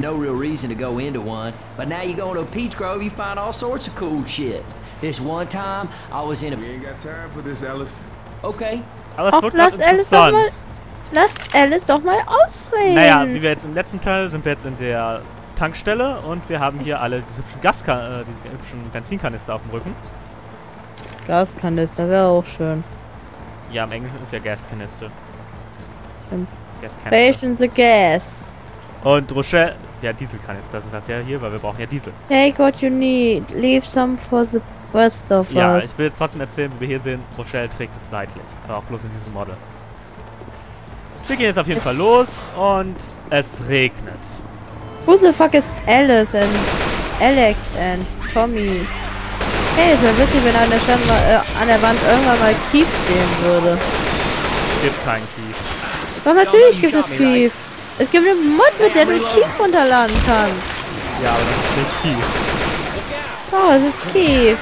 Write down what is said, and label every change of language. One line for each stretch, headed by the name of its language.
English: No real reason to go into one, but now you go to Peach Grove, you find all sorts of cool shit. This one time I was in a. We ain't got time for this, Alice. Okay.
German: Alice, wirkt ganz interessant. Lass Alice doch mal ausreden. Naja, wie wir jetzt im letzten Teil sind, wir jetzt in der Tankstelle und wir haben hier alle diese hübschen Benzinkanister auf dem Rücken. Gaskanister wäre auch schön. Ja, im Englischen ist ja Gaskanister.
English: Station the gas.
German: Und Rochelle, ja, Dieselkanister sind das ja hier, weil wir brauchen ja Diesel.
English: Take what you need, leave some for the rest of us.
German: Ja, ich will jetzt trotzdem erzählen, wie wir hier sehen, Rochelle trägt es seitlich, aber auch bloß in diesem Model. Wir gehen jetzt auf jeden Fall los und es regnet.
English: Who the fuck is Alice and Alex and Tommy?
German: Hey, es wäre witzig, wenn an der Wand irgendwann mal Kief stehen würde. Es gibt keinen Kief. Doch, natürlich gibt es Kief. Es gibt eine Mod, mit der du Kief runterladen kannst. Ja, aber das ist nicht Kief. Doch, es ist Kief.